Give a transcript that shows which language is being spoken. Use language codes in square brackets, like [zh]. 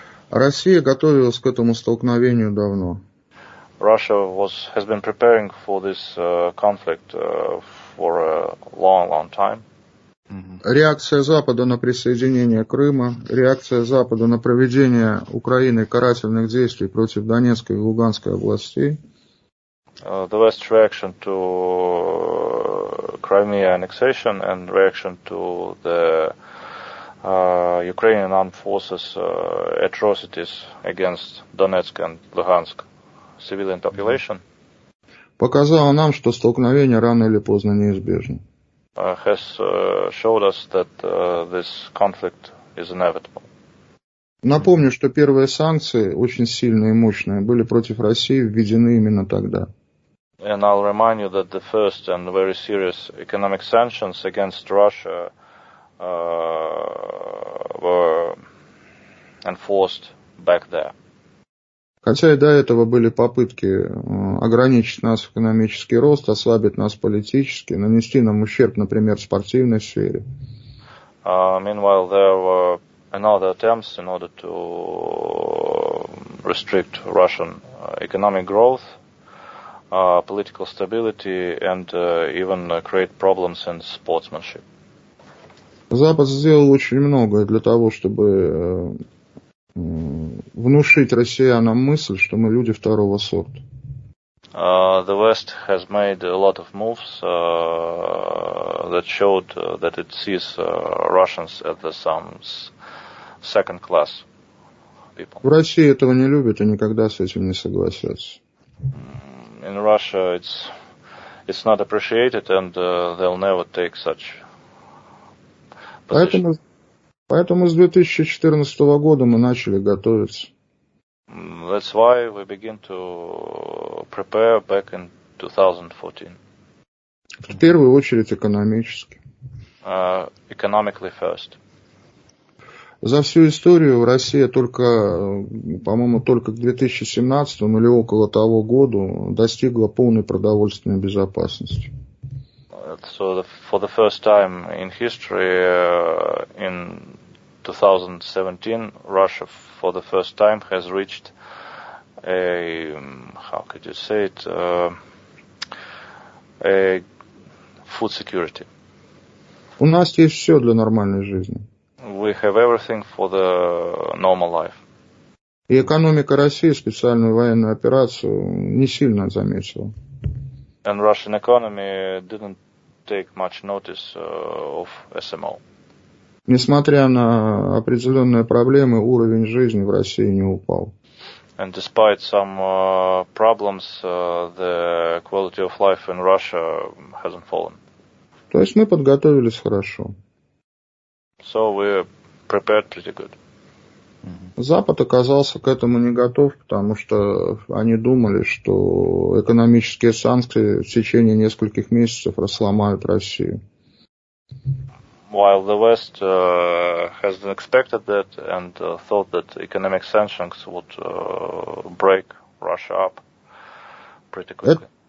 [ru] Россия готовилась к этому столкновению давно. [en] Russia has been preparing for this conflict for a long, long time. [ru] Реакция Запада на присоединение Крыма, реакция Запада на проведение Украиной карательных действий против Донецкой и Луганской областей. [en] The West's reaction to Crimea annexation and reaction to the Ukrainian armed forces atrocities against Donetsk and Luhansk civilian population. [ru] Показало нам, что столкновение рано или поздно неизбежно. [en] Has showed us that this conflict is inevitable. [ru] Напомню, что первые санкции, очень сильные и мощные, были против России введены именно тогда. [en] And I'll remind you that the first and very serious economic sanctions against Russia were enforced back there. [ru] Хотя и до этого были попытки ограничить нас экономический рост, ослабить нас политически, нанести нам ущерб, например, в спортивной сфере. [en] Meanwhile, there were another attempts in order to restrict Russian economic growth, political stability and even create problems in sportsmanship. [ru] Запад сделал очень многое для того, чтобы внушить россиянам мысль, что мы люди второго сорта. [en] The West has made a lot of moves that showed that it sees Russians as some second class people. [ru] В России этого не любят и никогда с этим не согласятся. [en] In Russia it's not appreciated and they'll never take such position. [ru] Поэтому с 2014 года мы начали готовиться. [en] That's why we begin to prepare back in 2014. [ru] В первую очередь экономически. [en] Economically first. [ru] За всю историю Россия только, по-моему, только к 2017 или около того году достигла полной продовольственной безопасности. [en] So for the first time in history, in 2017, Russia for the first time has reached a food security. [ru] У нас есть все для нормальной жизни. [en] We have everything for the normal life. [ru] И экономика России специальную военную операцию не сильно заметила. [en] And Russian economy didn't take much notice of SMO. [ru] Несмотря на определенные проблемы, уровень жизни в России не упал. [en] And despite some problems, the quality of life in Russia hasn't fallen. [ru] То есть мы подготовились хорошо. [en] So we prepared pretty good. [ru] Запад оказался к этому не готов, потому что они думали, что экономические санкции в течение нескольких месяцев расломают Россию. [en] While the West has expected that and thought that economic sanctions would break Russia up pretty quickly.